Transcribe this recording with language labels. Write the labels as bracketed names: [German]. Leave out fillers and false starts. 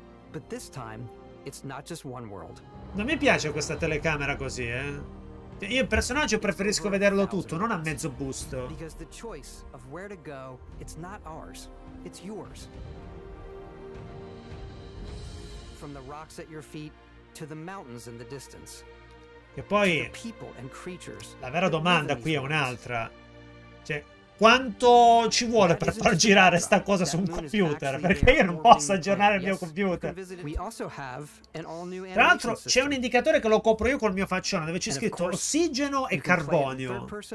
[English] But this time, it's not just one world. [Italian] Non mi piace questa telecamera così, eh. Io il personaggio preferisco vederlo tutto, non a mezzo busto. [English] Because the choice of where to go, it's not ours, it's yours. From the rocks at your feet to the mountains in the distance. [Italian] E poi la vera domanda qui è un'altra. Cioè, quanto ci vuole per far girare sta cosa su un computer? Perché io non posso aggiornare il mio computer. Tra l'altro c'è un indicatore che lo copro io col mio faccione, dove c'è scritto ossigeno e carbonio.